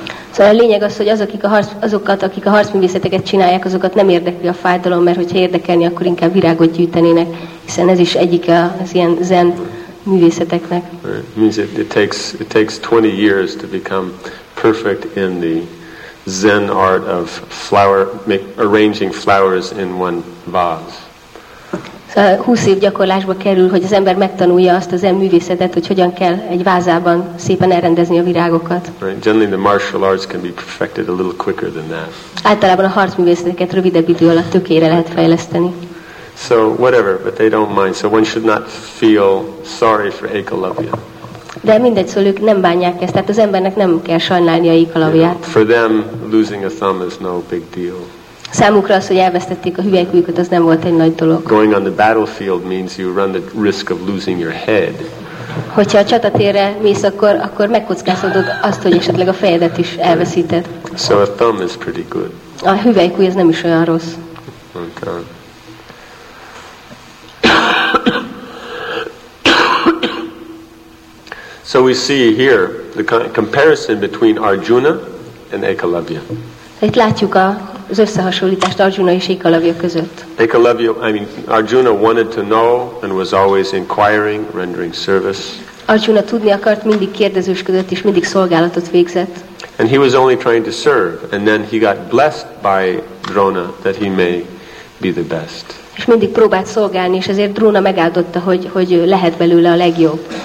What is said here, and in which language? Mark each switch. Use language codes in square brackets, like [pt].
[hu] Szóval a lényeg az, hogy akik a harcművészeteket csinálják, azokat nem érdekli a fájdalom, mert hogyha érdekelni, akkor inkább virágot gyűjtenének, hiszen ez is egyik az ilyen zen művészeteknek. [en] Right. Means it takes 20 years to become perfect in the zen art of arranging flowers in one vase. [hu] Szóval 20 év gyakorlásba kerül, hogy az ember megtanulja azt a zen művészetet, hogy hogyan kell egy vázában szépen elrendezni a virágokat. [en] Right. Generally the martial arts can be perfected a little quicker than that. [hu] Általában a harcművészeteket rövidebb idő alatt tökére lehet fejleszteni. [en] So whatever, but they don't mind. So one should not feel sorry for Ekalavya. [hu] De mindegy, szóval ők nem bánják ezt. Tehát az embernek nem kell sajnálni a Ekalavyát. [en] For them, losing a thumb is no big deal. [hu] Számukra az, hogy elvesztették a hüvelykujjukat, az nem volt egy nagy dolog. [en] Going on the battlefield means you run the risk of losing your head. [hu] Hogyha a csatatérre mész, akkor megkockázhatod azt, hogy esetleg a fejedet is elveszíted. [en] So a thumb is pretty good. [hu] A hüvelykujj az nem is olyan rossz. [en] Okay. So we see here the comparison between Arjuna and Ekalavya. [hu] Itt látjuk az összehasonlítást Arjuna és Ekalavya között. [en] Ekalavya, Arjuna wanted to know and was always inquiring, rendering service. [hu] Arjuna tudni akart, mindig kérdezősködött és mindig szolgálatot végzett. [en] And he was only trying to serve, and then he got blessed by Drona that he may be the best. [hu] És mindig próbált szolgálni, és ezért Drona megáldotta, hogy lehet belőle a legjobb.